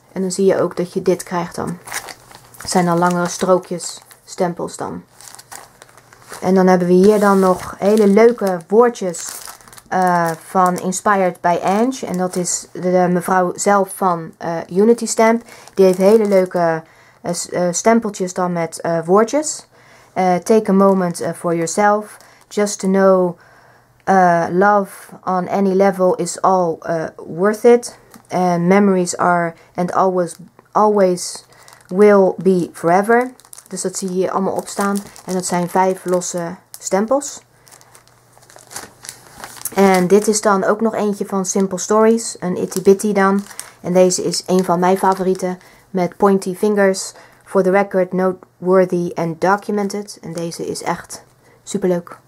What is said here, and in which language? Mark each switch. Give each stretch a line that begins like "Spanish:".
Dutch: En dan zie je ook dat je dit krijgt dan. Het zijn dan langere strookjes stempels dan. En dan hebben we hier dan nog hele leuke woordjes van Inspired by Ange. En dat is de mevrouw zelf van Unity Stamp. Die heeft hele leuke stempeltjes dan met woordjes.
English: Take a moment for yourself. Just to know love on any level is all worth it. And memories are and always will be forever.
Dutch: Dus dat zie je hier allemaal opstaan. En dat zijn 5 losse stempels. En dit is dan ook nog eentje van Simple Stories. Een Itty Bitty dan. En deze is een van mijn favorieten. Met pointy fingers.
English: For the record, noteworthy and documented.
Dutch: En deze is echt superleuk.